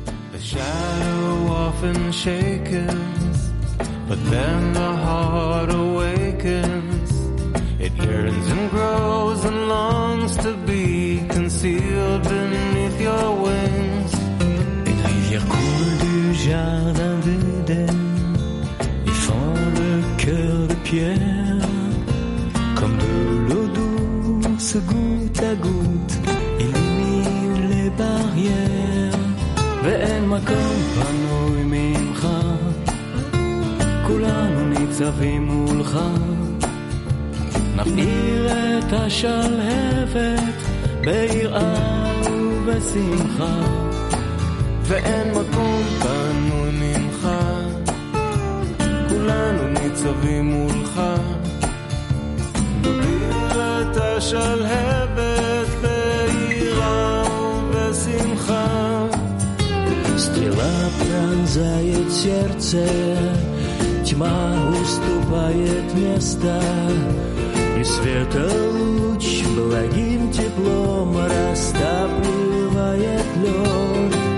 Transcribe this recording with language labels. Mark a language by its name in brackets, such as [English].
[English] The shadow often shakens, but then the heart awakens. It yearns and grows and longs to be concealed beneath your wings. [French] Une rivière coule du jardin d'Eden, y fond le cœur de pierre. Comme de l'eau douce, goutte à goutte, illumine les barrières. [Hebrew] Ve'en-moi comme panoui mimcha, kulanu nitzavim ulcha. נפעיל את השלהבת ביראה ובשמחה, ואין מקום פנוי ממך, כולנו ניצבים מולך. נפעיל את השלהבת ביראה ובשמחה. [Russian] Стрела пронзает сердце, тьма уступает место, и света луч благим теплом растапливает лед.